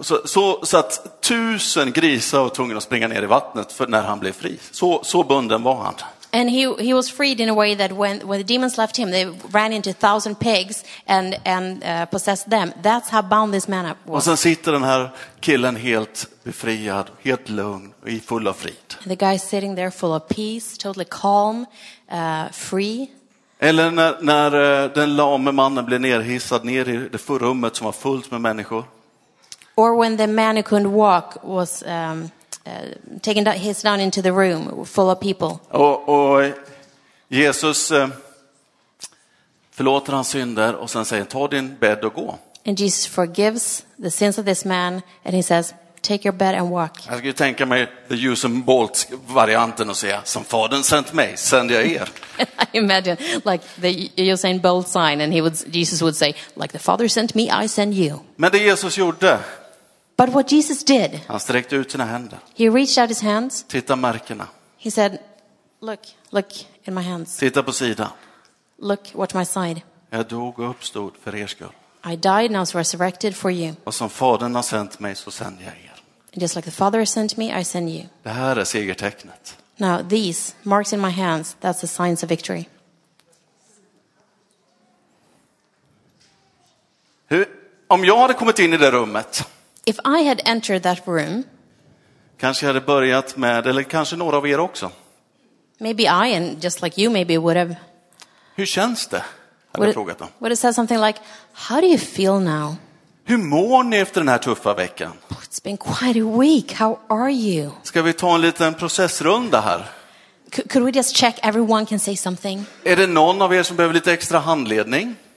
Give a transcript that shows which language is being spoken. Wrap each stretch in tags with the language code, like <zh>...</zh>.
<sv>Så att 1000 grisar var tvungna att springa ner i vattnet för när han blev fri. Så bunden var han.</sv> <en>And he was freed in a way that when the demons left him, they ran into 1000 pigs and possessed them. That's how bound this man up was.</en> <sv>Och sen sitter den här killen helt befriad, helt lugn och i full av frid.</sv> <en>The guy sitting there full of peace, totally calm, free.</en> <sv>Eller när den lame mannen blev nerhissad ner i det förrummet som var fullt med människor.</sv> <en>Or when the man who couldn't walk was taken his down into the room full of people.</en> <sv>Och Jesus förlåter hans synder och sen säger, ta din bädd och gå.</sv> <en>And Jesus forgives the sins of this man and he says, take your bed and walk.</en> <sv>Jag skulle tänka mig the Usain Bolt varianten och säga, som fadern sent mig, sänder jag er.</sv> <en>I imagine like the Usain Bolt sign and Jesus would say, like the father sent me, I send you.</en> <sv>Men det Jesus gjorde.</sv> <en>But what Jesus did.</en> <sv>Han sträckte ut sina händer.</sv> <en>He reached out his hands.</en> <sv>Titta märkena.</sv> <en>He said, look in my hands.</en> <sv>Titta på sidan.</sv> <en>Look, watch my side.</en> <sv>Jag dog och uppstod för er skull.</sv> <en>I died and I was resurrected for you.</en> <sv>Och som fadern har sent mig så sänder jag er.</sv> <en>And just like the father has sent me, I send you.</en> <sv>Det här är segertecknet.</sv> <en>Now these marks in my hands, that's the signs of victory.</en> <sv>Om jag hade kommit in i det rummet.</sv> <en>If I had entered that room,</en> <sv>Kanske hade börjat med, eller kanske några av er också.</sv> <en>Maybe I and just like you maybe would have.</en> <sv>Hur känns det? Hade frågat dem.</sv> <en>Would have said something like, how do you feel now?</en> <sv>Hur mår ni efter den här tuffa veckan?</sv> <en>It's been quite a week. How are you?</en> <sv>Ska vi ta en liten processrunda här?</sv> <en>Could we just check everyone can say something?</en> <sv>Är det någon av er som behöver lite extra handledning?</sv>